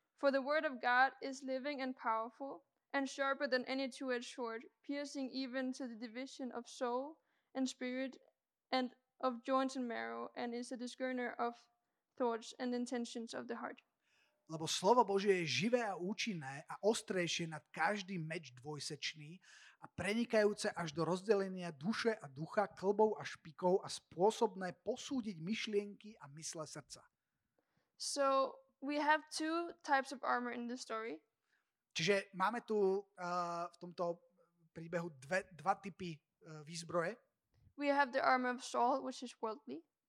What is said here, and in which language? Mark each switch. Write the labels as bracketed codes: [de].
[en] For the word of God is living and powerful and sharper than any two-edged sword, piercing even to the division of soul and spirit and of joints and marrow, and is a discerner of thoughts and intentions of the heart. [sk] Lebo slovo Božie je živé a účinné a ostrejšie nad každý meč dvojsečný a prenikajúce až do rozdelenia duše a ducha, klbov a špikov a spôsobné posúdiť myšlienky a mysle srdca. [en] So we have two types of armor in the story. [sk] Čiže máme tu v tomto príbehu dva typy výzbroje. [en] We have the armor of soul, which is worldly.